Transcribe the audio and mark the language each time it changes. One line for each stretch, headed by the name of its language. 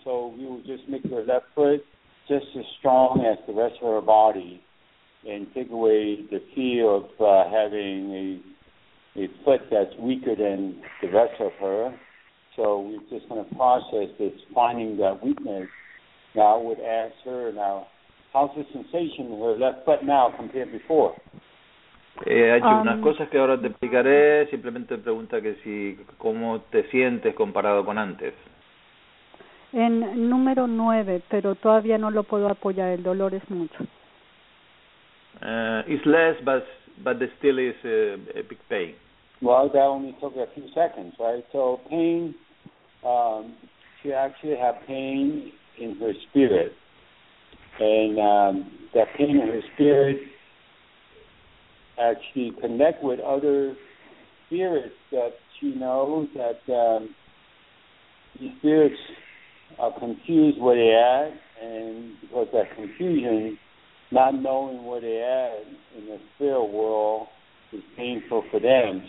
English: So we will just make her left foot just as strong as the rest of her body and take away the fear of having a foot that's weaker than the rest of her. So we're just going to process this finding that weakness. Now I would ask her now, how's the sensation of her left foot now compared before?
Spanish: Hay unas cosas que ahora te explicaré, simplemente pregunta que si cómo te sientes comparado con antes. En número 9, pero todavía no lo puedo apoyar, el dolor es mucho.
English: It's less, but still is a big pain. Well, that only took a few seconds, right? So pain, she actually have pain in her spirit. And that pain in her spirit actually connect with other spirits that she knows that the spirits are confused where they at, and because that confusion, not knowing where they at in the spirit world, is painful for them.